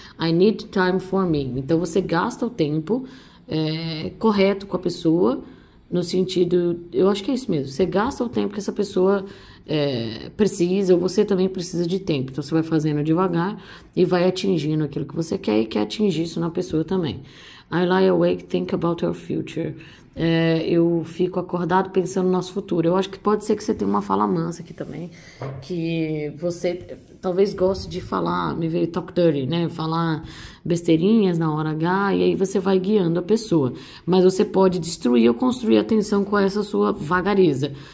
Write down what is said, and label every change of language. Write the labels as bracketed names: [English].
[English] I need time for me. [Portuguese] Então você gasta o tempo correto com a pessoa. No sentido, eu acho que é isso mesmo. Você gasta o tempo que essa pessoa precisa, ou você também precisa de tempo. Então você vai fazendo devagar e vai atingindo aquilo que você quer e quer atingir isso na pessoa também. [English] I lie awake, think about your future. [Portuguese] Eu fico acordado pensando no nosso futuro. Eu acho que pode ser que você tenha uma fala mansa aqui também, que você talvez goste de falar, me veio [English] talk dirty, [Portuguese] né? Falar besteirinhas na hora H, e aí você vai guiando a pessoa. Mas você pode destruir ou construir atenção com essa sua vagareza.